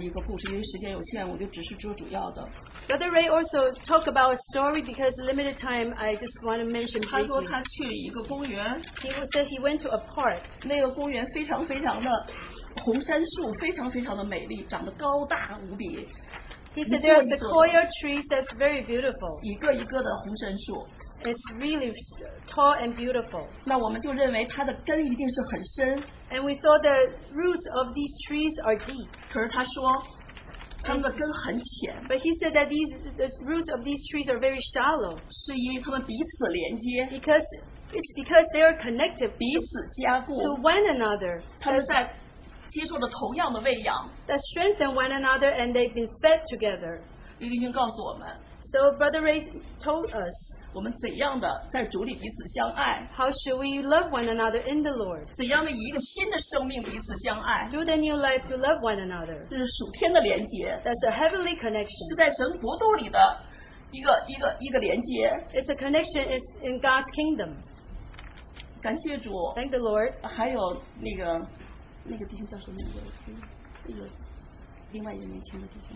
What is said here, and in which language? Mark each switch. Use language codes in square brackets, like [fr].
[zh] 还有我们的瑞弟兄讲了一个故事，因为时间有限，我就只是说主要的。 [en] Brother Ray also talk about a story because limited time, I just want to mention briefly. [zh] 他说他去一个公园, [en] he said he went to a park. [zh] 那个公园非常非常的红杉树，非常非常的美丽，长得高大无比。 [en] He said there are sequoia trees that's very beautiful. [zh] 一个一个的红杉树。 [en] It's really tall and beautiful. [zh] 那我们就认为它的根一定是很深。 [en] And we thought the roots of these trees are deep. [zh] 可是他说, 他们的根很浅。 [en] But he said that the roots of these trees are very shallow. [zh] 是因为他们彼此连接。 [en] Because it's because they are connected [zh] 彼此加固, [en] to one another. [zh] 他们在接受了同样的喂养。 [en] That strengthen one another and they've been fed together. [zh] 李丁君告诉我们, [en] so Brother Ray told us, [zh] 我们怎样的在主里彼此相爱? [en] How should we love one another in the Lord? [zh] 怎样的以一个新的生命彼此相爱? [en] Through the new life to love one another. [zh] 这是属天的连接。 [en] That's a heavenly connection. [zh] 是在神国度里的一个连接。 [en] It's a connection in God's kingdom. [zh] 感谢主。 [en] Thank the Lord. [zh] 还有那个弟兄叫什么名字？那个另外一个年轻的弟兄。